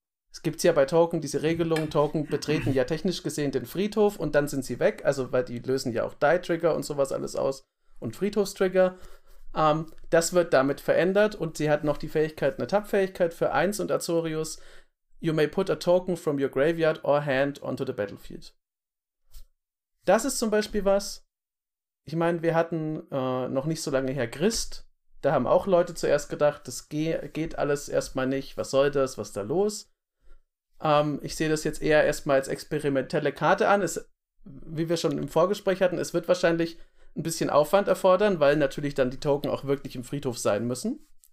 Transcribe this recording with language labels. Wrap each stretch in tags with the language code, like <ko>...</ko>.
<de>Es gibt ja bei Token diese Regelung, Token betreten ja technisch gesehen den Friedhof und dann sind sie weg, also weil die lösen ja auch Die-Trigger und sowas alles aus und Friedhofstrigger. Das wird damit verändert und sie hat noch die Fähigkeit, eine Tap-Fähigkeit für 1 und Azorius.</de> <en>You may put a token from your graveyard or hand onto the battlefield.</en> <de>Das ist zum Beispiel was. Ich meine, wir hatten noch nicht so lange her Grist. Da haben auch Leute zuerst gedacht, das geht alles erstmal nicht. Was soll das? Was ist da los? Ich sehe das jetzt eher erstmal als experimentelle Karte an. Wie wir schon im Vorgespräch hatten, es wird wahrscheinlich ein bisschen Aufwand erfordern, weil natürlich dann die Token auch wirklich im Friedhof sein müssen.</de>